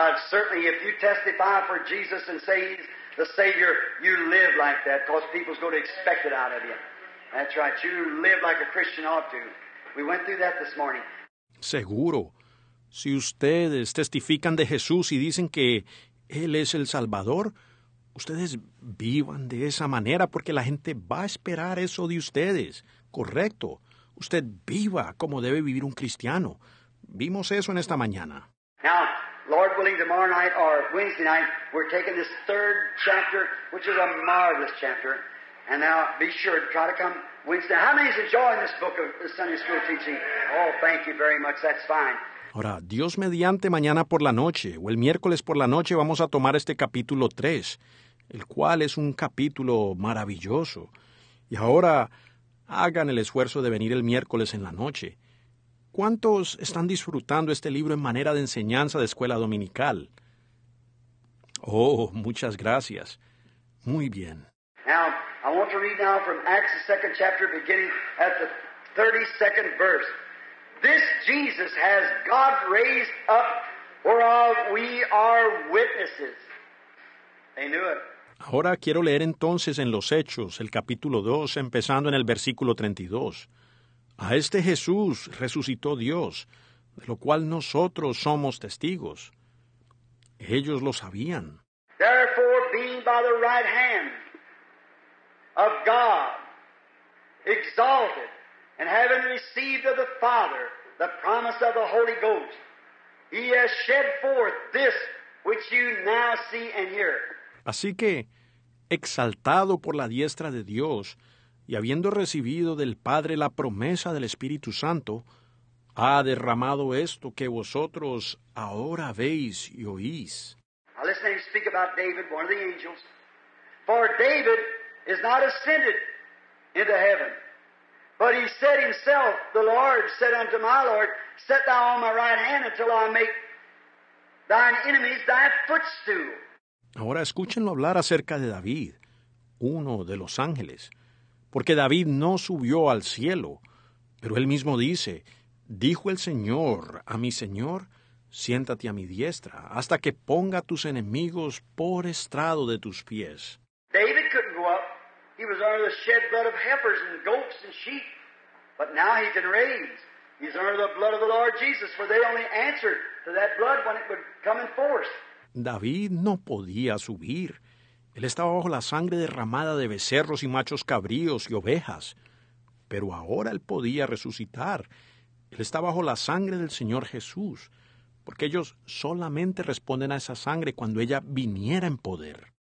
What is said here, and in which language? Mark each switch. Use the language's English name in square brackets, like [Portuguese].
[English] Certainly, if you testify for Jesus and say he's the Savior, you live like that because people's going to expect it out of you. That's right. You live like a Christian ought to. We went through that this morning. [Spanish] Seguro. Si ustedes testifican de Jesús y dicen que Él es el Salvador, ustedes vivan de esa manera porque la gente va a esperar eso de ustedes. Correcto. Usted viva como debe vivir un cristiano. Vimos eso en esta mañana. [English] Now, Lord willing, tomorrow night or Wednesday night, we're taking this third chapter, which is a marvelous chapter. And now, be sure to try to come Wednesday. How many is enjoying this book of the Sunday school teaching? Oh, thank you very much. That's fine. [Spanish] Ahora, Dios mediante, mañana por la noche, o el miércoles por la noche, vamos a tomar este capítulo 3, el cual es un capítulo maravilloso. Y ahora, hagan el esfuerzo de venir el miércoles en la noche. ¿Cuántos están disfrutando este libro en manera de enseñanza de escuela dominical? Oh, muchas gracias. Muy bien. [English] Now, I want to read now from Acts, the second chapter, beginning at the 32nd verse. This Jesus has God raised up, whereof we are witnesses. They knew it. [Spanish] Ahora quiero leer entonces en los Hechos, el capítulo 2, empezando en el versículo 32. A este Jesús resucitó Dios, de lo cual nosotros somos testigos. Ellos lo sabían. [English] Therefore, being by the right hand of God, exalted, and having received of the Father the promise of the Holy Ghost, he has shed forth this which you now see and hear. [Spanish] Así que, exaltado por la diestra de Dios, y habiendo recibido del Padre la promesa del Espíritu Santo, ha derramado esto que vosotros ahora veis y oís. [English] Now listen to him speak about David, one of the angels. For David is not ascended into heaven, but he said himself, the Lord said unto my Lord, set thou on my right hand until I make thine enemies thy footstool. [Spanish] Ahora escúchenlo hablar acerca de David, uno de los ángeles. Porque David no subió al cielo, pero él mismo dice, dijo el Señor a mi Señor, siéntate a mi diestra, hasta que ponga a tus enemigos por estrado de tus pies. [English] David couldn't go up. He was under the shed blood of heifers and goats and sheep. But now he can raise. He's under the blood of the Lord Jesus, for they only answered to that blood when it would come in force. [Spanish] David no podía subir. Él estaba bajo la sangre derramada de becerros y machos cabríos y ovejas. Pero ahora él podía resucitar. Él está bajo la sangre del Señor Jesús, porque ellos solamente responden a esa sangre cuando ella viniera en poder.